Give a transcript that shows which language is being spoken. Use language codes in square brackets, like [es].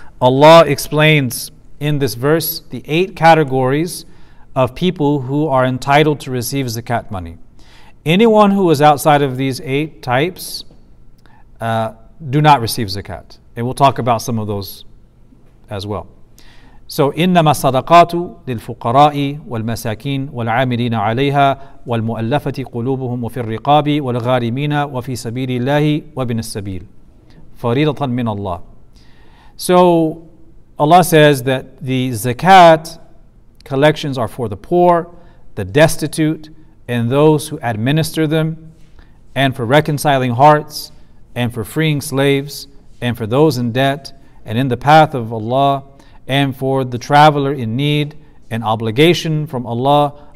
[en] Allah explains in this verse the 8 categories of people who are entitled to receive zakat money. Anyone who is outside of these 8 types do not receive zakat. And we'll talk about some of those as well. [ar] So, إِنَّمَا الصَّدَقَاتُ لِلْفُقَرَاءِ وَالْمَسَاكِينَ وَالْعَامِلِينَ عَلَيْهَا وَالْمُؤَلَّفَةِ قُلُوبُهُمْ وَفِي الرِّقَابِ وَالْغَارِمِينَ وَفِي سَبِيلِ اللَّهِ وَبِنِ السَّبِيلِ فَرِيضَةً مِّنَ اللَّهِ. [en] So, Allah says that the zakat Collections are for the poor, the destitute, and those who administer them, and for reconciling hearts, and for freeing slaves, and for those in debt, and in the path of Allah, and for the traveler in need, and obligation from Allah.